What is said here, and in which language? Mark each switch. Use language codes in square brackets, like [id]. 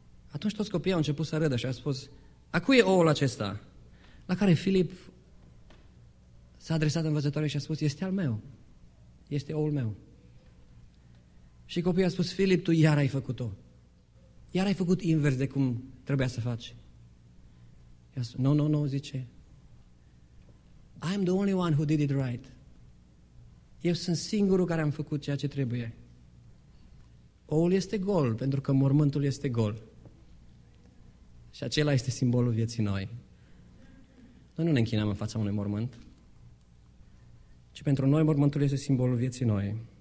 [ro] Atunci toți copiii au început să râdă și au spus, a cui e oul acesta? La care Philip s-a adresat învățătorului și a spus, este al meu, este oul meu. Și copiii au spus, Philip, tu iar ai făcut-o. Iar ai făcut invers de cum trebuia să faci. I-a spus, [en] no, [ro] zice, [en] I'm the only one who did it right. [ro] Eu sunt singurul care am făcut ceea ce trebuie. Oul este gol, pentru că mormântul este gol. Și acela este simbolul vieții noi. Noi nu ne închinăm în fața unui mormânt, ci pentru noi mormântul este simbolul vieții noi.